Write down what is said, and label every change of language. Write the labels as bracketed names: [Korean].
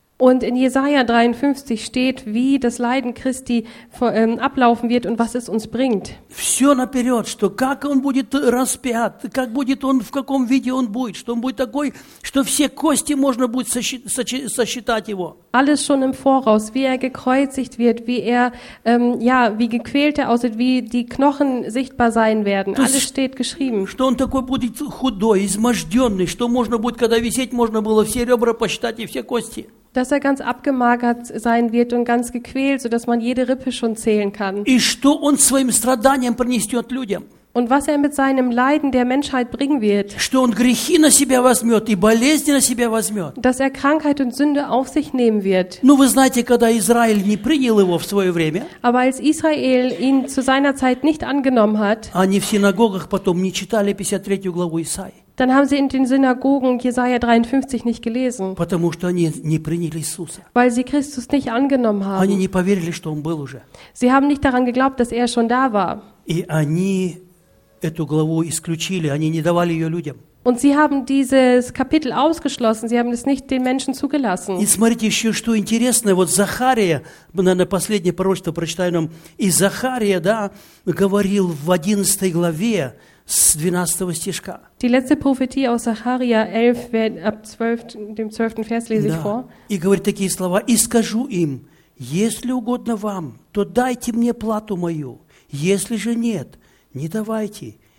[German] Und in Jesaja 53 steht, wie das Leiden Christi ablaufen wird und was es uns bringt. [Russian] Все наперед, что как он будет распят, как будет он, в каком виде он будет, что он будет такой, что все кости можно будет сосчитать его. [German] Alles schon im Voraus, wie er gekreuzigt wird, wie er, wie gequält er aussieht, wie die Knochen sichtbar sein werden. То alles steht geschrieben. [Russian] Что он такой будет худой, изможденный, что можно будет, когда висеть, можно было все ребра посчитать и все кости. [German] Dass er ganz abgemagert sein wird und ganz gequält, so dass man jede Rippe schon zählen kann. [Russian] И что он своим страданием принесет людям? [German] Und was er mit seinem Leiden der Menschheit bringen wird. [Russian] Что он грехи на себя возьмет и болезни на себя возьмет. [German] Dass er Krankheit und Sünde auf sich nehmen wird. [Russian] Ну вы знаете, когда Израиль не принял его в свое время. [German] Aber als Israel ihn zu seiner Zeit nicht angenommen hat. [Russian] Они в синагогах потом не читали 53 главу Исаии. [German] Dann haben sie in den Synagogen Jesaja 53 nicht gelesen. [Russian] Потому что они не приняли Иисуса. [German] Weil sie Christus nicht angenommen haben. [Russian] Они не поверили, что он был уже. [German] Sie haben nicht daran geglaubt, dass er schon da war. [Russian] И они эту главу исключили, они не давали ее людям. [German] Und sie haben dieses Kapitel ausgeschlossen, sie haben es nicht den Menschen zugelassen. [Russian] И смотрите еще, что интересно, вот Захария, наверное, последнее пророчество прочитаю нам, и Захария, да, говорил в 11 главе с 12 стишка. [German] Die letzte Prophetie aus Zacharia 11, ab 12, dem 12. Vers lese ich vor. [Russian] И говорит такие слова, и скажу им, если угодно вам, то дайте мне плату мою, если же нет, не давайте.